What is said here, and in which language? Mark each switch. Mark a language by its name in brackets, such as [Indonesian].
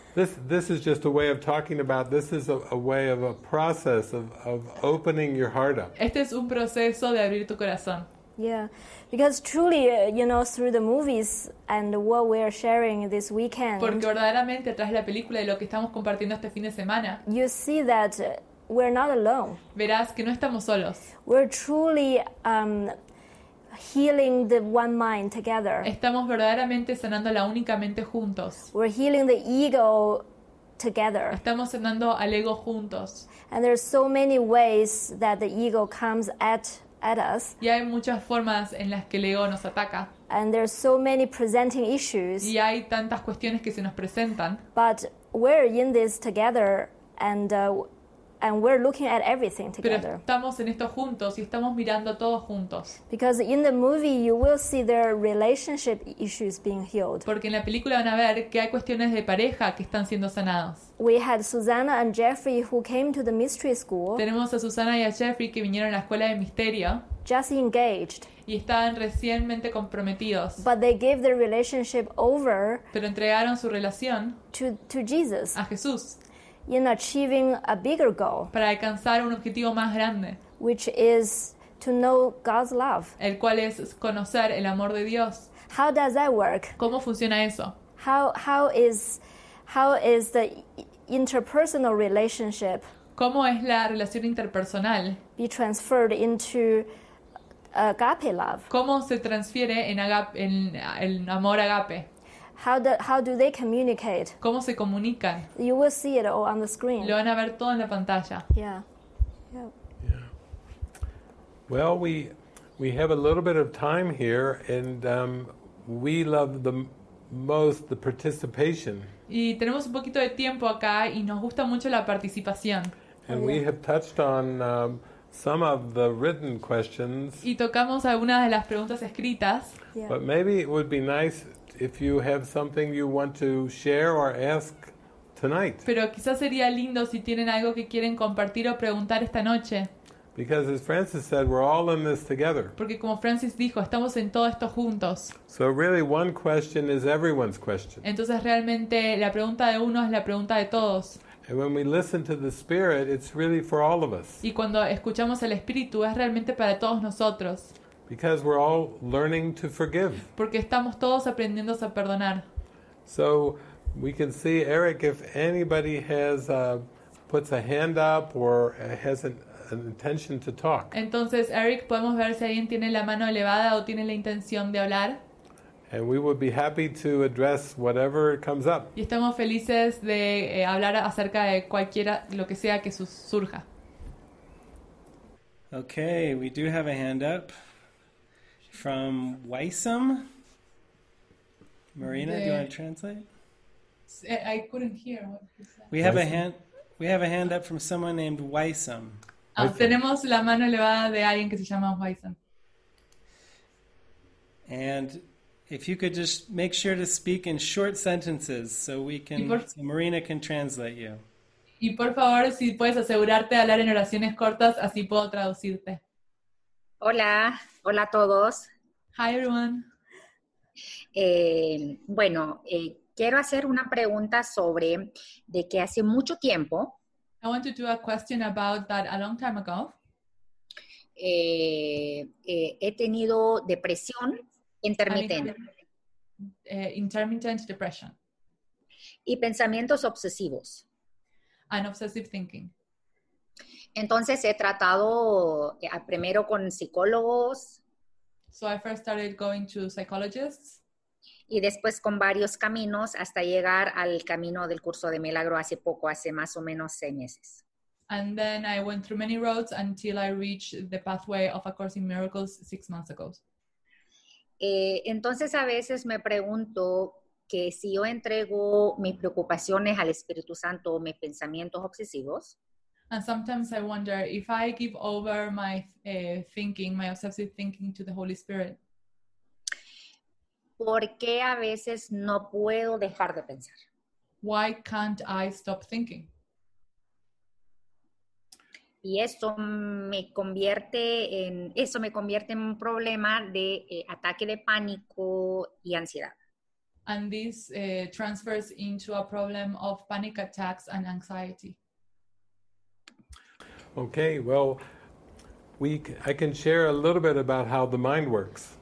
[English] This is just a way of talking about. This is a way of a process of opening your heart up. [Spanish] Este es un proceso de abrir tu corazón. [English] Yeah, because truly, you know, through the movies and what we are sharing this weekend. [Spanish] Porque verdaderamente tras la película y lo que estamos compartiendo este fin de semana. [English] You see that we're not alone. [Spanish] Verás que no estamos solos. [English] We're truly healing the one mind together. [Spanish] Estamos verdaderamente sanando la única mente juntos. [English] We're healing the ego together. [Spanish] Estamos sanando al ego juntos. [English] And there are so many ways that the ego comes at us. [Spanish] Y hay muchas formas en las que el ego nos ataca. [English] And there are so many presenting issues. [Spanish] Y hay tantas cuestiones que se nos presentan. [English] But we're in this together and we're looking at everything together. [Spanish] Pero estamos en esto juntos y estamos mirando todos juntos. [English] Because in the movie you will see their relationship issues being healed. [Spanish] Porque en la película van a ver que hay cuestiones de pareja que están siendo sanados. [English] We had Susanna and Jeffrey who came to the mystery school. [Spanish] Tenemos a Susanna y a Jeffrey que vinieron a la escuela de misterio. [English] Just engaged. [Spanish] Y estaban recientemente comprometidos. [English] But they gave their relationship over. [Spanish] Pero entregaron su relación [English] to Jesus. [Spanish] A Jesús. [English] In achieving a bigger goal. [Spanish] Para alcanzar un objetivo más grande. [English] Which is to know God's love. [Spanish] El cual es conocer el amor de Dios. [English] How does that work? [Spanish] ¿Cómo funciona eso? [English] How is the interpersonal relationship? [Spanish] ¿Cómo es la relación interpersonal? [English] Be transferred into agape love. [Spanish] ¿Cómo se transfiere en el amor agape? [English] How do they communicate? [Spanish] ¿Cómo se comunican? [English] You will see it all on the screen. [Spanish] Lo van a ver todo en la pantalla. [English] Yeah. Well, we have a little bit of time here, and we love the most the participation. [Spanish] Y tenemos un poquito de tiempo acá y nos gusta mucho la participación. [English] And we have touched on some of the written questions. [Spanish] Y tocamos algunas de las preguntas escritas. [English] Yeah. But maybe it would be nice if you have something you want to share or ask tonight. [Spanish] Pero quizás sería lindo si tienen algo que quieren compartir o preguntar esta noche. [English] Because as Francis said, we're all in this together. [Spanish] Porque como Francis dijo, estamos en todo esto juntos. [English] So really one question is everyone's question. [Spanish] Entonces realmente la pregunta de uno es la pregunta de todos. [English] And when we listen to the Spirit, it's really for all of us. [Spanish] Y cuando escuchamos al Espíritu, es realmente para todos nosotros. [English] Because we're all learning to forgive. [Spanish] Porque estamos todos aprendiendo a perdonar. [English] So we can see, Eric, if anybody has puts a hand up or has an intention to talk. [Spanish] Entonces, Eric, podemos ver si alguien tiene la mano elevada o tiene la intención de hablar. [English] And we would be happy to address whatever comes up. [Spanish] Y estamos felices de hablar acerca de cualquiera lo que sea que surja. [English] Okay, we do have a hand up. From Wysom. Marina, do you want to translate? I couldn't hear what you said. We have a hand up from someone named Wysom. [Spanish] Tenemos la mano elevada de alguien que se llama Wysom. [English] And if you could just make sure to speak in short sentences so we can so Marina can translate you. [Spanish] Y por favor, si puedes asegurarte de hablar en oraciones cortas, así puedo traducirte. Hola, hola a todos. [English] Hi everyone. [Spanish] Quiero hacer una pregunta sobre de que hace mucho tiempo. [English] I want to do a question about that a long time ago. [Spanish] He tenido depresión intermitente. [English] Intermittent depression. [Spanish] Y pensamientos obsesivos. [English] And obsessive thinking. [Spanish] Entonces he tratado primero con psicólogos. [English] So I first started going to psychologists. [Spanish] Y después con varios caminos hasta llegar al camino del curso de milagro hace poco, hace más o menos 6 meses. [English] And then I went through many roads until I reached the pathway of A Course in Miracles 6 months ago. [Spanish] Entonces a veces me pregunto que si yo entrego mis preocupaciones al Espíritu Santo o mis pensamientos obsesivos. [English] And sometimes I wonder if I give over my thinking, my obsessive thinking to the Holy Spirit. [Spanish] ¿Por qué a veces no puedo dejar de pensar? [English] Why can't I stop thinking? [Spanish] Y eso me convierte en un problema de ataque de pánico y ansiedad. [English] And this transfers into a problem of panic attacks and anxiety. Okay, well, I can share a little bit about how the mind works.